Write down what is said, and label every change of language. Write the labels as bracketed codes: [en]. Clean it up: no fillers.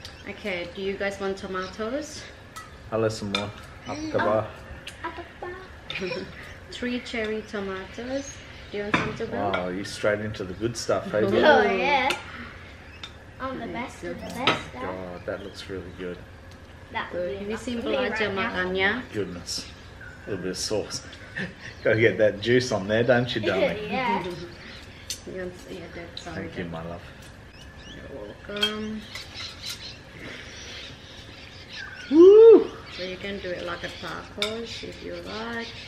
[en] Okay, do you guys want tomatoes? [id] Halo semua. Apa kabar? [en] Three cherry tomatoes. Do you want some too? Wow, you're straight into the good stuff, hey? Oh yeah. I'm the best of the best. Oh, that looks really good. [id] Ini simple aja makannya. [en] Goodness, a little bit of sauce. Go get that juice on there, don't you, darling? Yeah. Yes, yeah, that's all. Thank you, my love. You're welcome. Woo! So you can do it like a tacos if you like.